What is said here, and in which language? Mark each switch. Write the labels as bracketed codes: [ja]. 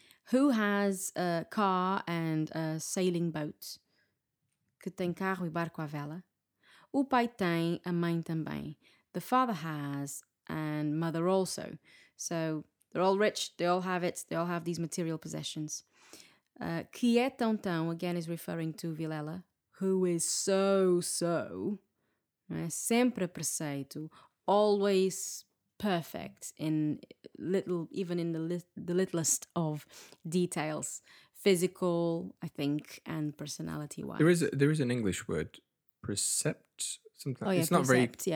[en] Who has a car and a sailing boat? [pt] Que tem carro e barco à vela. O pai tem, a mãe também. [en] The father has, and mother also. So, they're all rich, they all have it, they all have these material possessions. [pt] Que é tão tão, [en] again, is referring to [pt] vilela. [en] Who is so, so. [pt] Né? Sempre preceito. [en] Always perfect in little, even in the littlest of details, physical, I think, and personality wise. There is an English word, precept, something. Oh, yeah, it's not precept, very